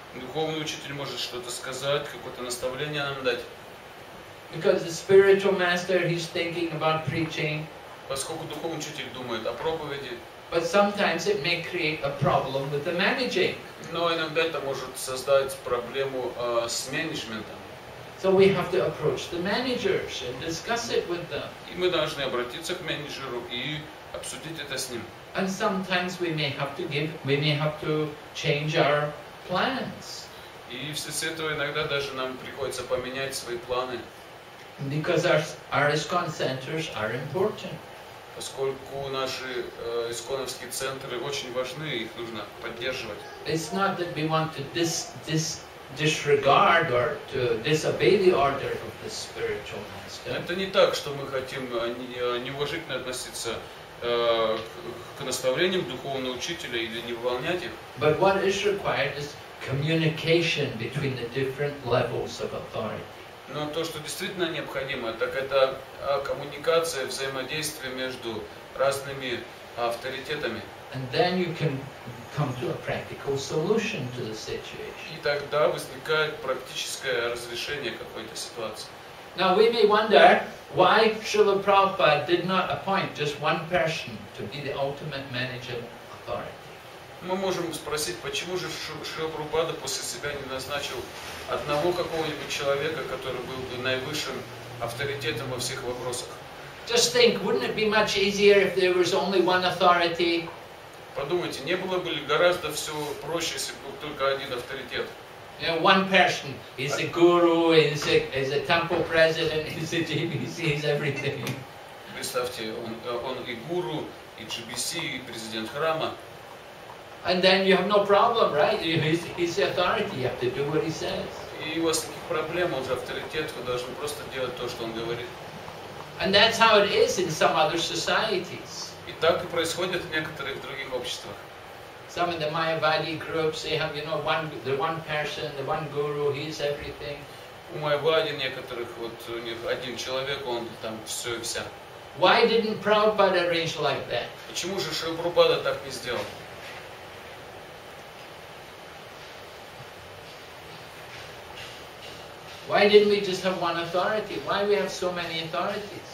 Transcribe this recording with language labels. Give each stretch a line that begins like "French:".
Russian: Духовный учитель может что-то сказать, какое-то наставление нам дать.
English: Because the spiritual master, he's thinking about preaching.
Russian: Поскольку духовный учитель думает о проповеди.
English: But sometimes it may create a problem with the managing.
Russian: Но иногда это может создать проблему с менеджментом.
English: So we have to approach the managers and discuss it with them.
Russian: И мы должны обратиться к менеджеру и обсудить это с ним.
English: And sometimes we may have to change our plans.
Russian: И в связи с этим иногда даже нам приходится поменять свои планы.
English: Because our ISKCON centers are important.
Russian: Поскольку наши исконовские центры очень важны, их нужно поддерживать.
English: It's not that we want to disregard or to disobey the order of the spiritual master.
Russian: Это не так, что мы хотим неуважительно относиться к наставлениям духовного учителя или не выполнять их.
English: But what is required is communication between the different levels of authority.
Russian: Но то, что действительно необходимо, так это коммуникация, взаимодействие между разными авторитетами.
English: And then you can come to a practical solution to the situation.
Russian: И тогда возникает практическое разрешение какой-то ситуации.
English: Now we may wonder why Srila Prabhupada did not appoint just one person to be the ultimate managing authority.
Russian: Мы можем спросить, почему же Шрила Прабхупада после себя не назначил одного какого-нибудь человека, который был бы наивысшим авторитетом во всех вопросах.
English: Just think, wouldn't it be much easier if there was only one authority?
Russian: Подумайте, не было бы ли гораздо все проще, если бы был только один авторитет?
English: You know, one person is a guru, is a temple president, is a GBC, is everything.
Russian: Представьте, он и гуру, и GBC, и президент храма.
English: And then you have no problem, right? He's the authority. You have to do what he says.
Russian: И у вас никаких проблем, он же авторитет, вы должны просто делать то, что он говорит.
English: And that's how it is in some other societies.
Russian: И так и происходит в некоторых других обществах.
English: Some of the Mayavadi groups, they have, you know, the one person, the one guru, he's everything.
Russian: У Mayavadi некоторых вот у них один человек, он там все и вся.
English: Why didn't Prabhupada arrange like that?
Russian: Почему же Шрила Прабхупада так не сделал?
English: Why didn't we just have one authority? Why we have so many authorities?